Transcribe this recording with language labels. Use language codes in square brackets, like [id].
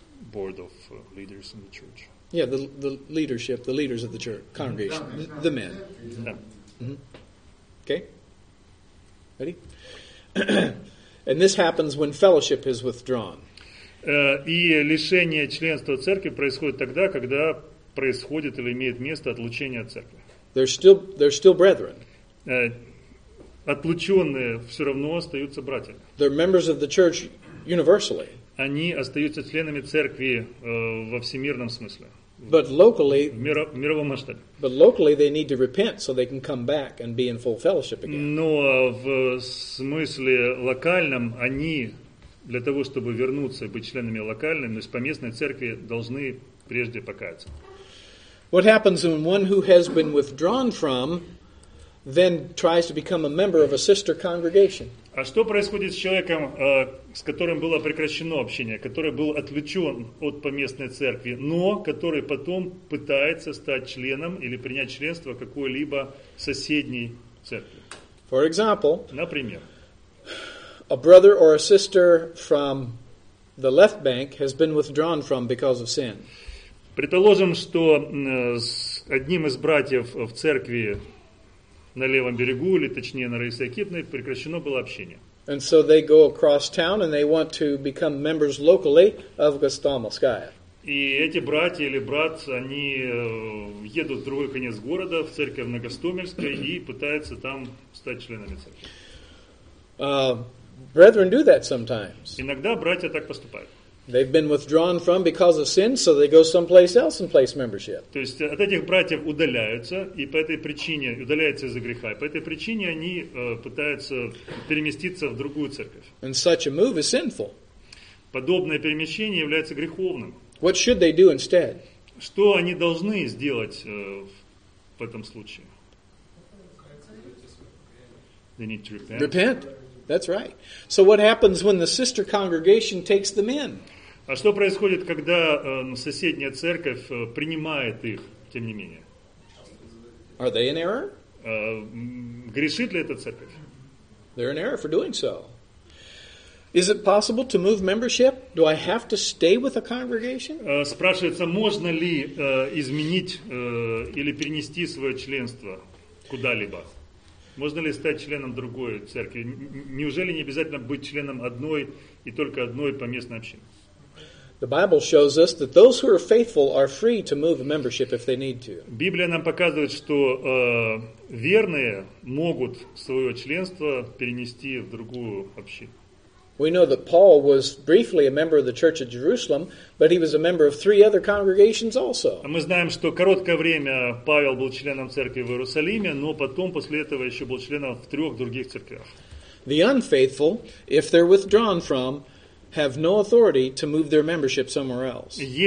[en] Board of leaders in the church. Yeah, the leadership, the leaders of the church, congregation, the men. Yeah. Mm-hmm. Okay. Ready? And this happens when fellowship is withdrawn. [ru] И лишение членства церкви происходит тогда, когда происходит или имеет место отлучение от церкви. [en] They're still brethren. [ru] Отлученные все равно остаются братьями. [en] They're members of the church universally. [ru] Они остаются членами церкви во всемирном смысле. [en] But locally, [ru] в мировом масштабе. [en] But locally they need to repent so they can come back and be in full fellowship again. [ru] Но в смысле локальном они для того, чтобы вернуться и быть членами локальной, то есть поместной церкви, должны прежде покаяться. [en] What happens when one who has been withdrawn from then tries to become a member of a sister congregation? [ru] А что происходит с человеком, с которым было прекращено общение, который был отвлечен от поместной церкви, но который потом пытается стать членом или принять членство какой-либо соседней церкви? [en] For example, [ru] например, [en] a brother or a sister from the left bank has been withdrawn from because of sin. [ru] Предположим, что с одним из братьев в церкви на левом берегу, или точнее на Раисе-Акитной, прекращено было общение. [en] And so they go across town and they want to become members locally of Гостомельская. [ru] И эти братья или брат, они едут в другой конец города, в церковь на Гостомельской, и пытаются там стать членами церкви. [en] Brethren do that sometimes. [ru] Иногда братья так поступают. [en] They've been withdrawn from because of sin, so they go someplace else and place membership. [ru] То есть от этих братьев удаляются, и по этой причине удаляются из-за греха. И по этой причине они пытаются переместиться в другую церковь. [en] And such a move is sinful. [ru] Подобное перемещение является греховным. [en] What should they do instead? [ru] Что они должны сделать в этом случае? [en] They need to repent. Repent. That's right. So what happens when the sister congregation takes them in? [ru] А что происходит, когда соседняя церковь принимает их, тем не менее? [en] Are they in error? [ru] Грешит ли эта церковь? [en] They're in error for doing so. Is it possible to move membership? Do I have to stay with a congregation? [ru] Спрашивается, можно ли изменить или перенести свое членство куда-либо? Можно ли стать членом другой церкви? Неужели не обязательно быть членом одной и только одной поместной общины? [en] The Bible shows us that those who are faithful are free to move a membership if they need to. [ru] Библия нам показывает, что верные могут свое членство перенести в другую общину. [en] We know that Paul was briefly a member of the church at Jerusalem, but he was a member of three other congregations also. [ru] Мы знаем, что короткое время Павел был членом церкви в Иерусалиме, но потом после этого еще был членом в трех других церквях. [en] The unfaithful, if they're withdrawn from, have no authority to move their membership somewhere else.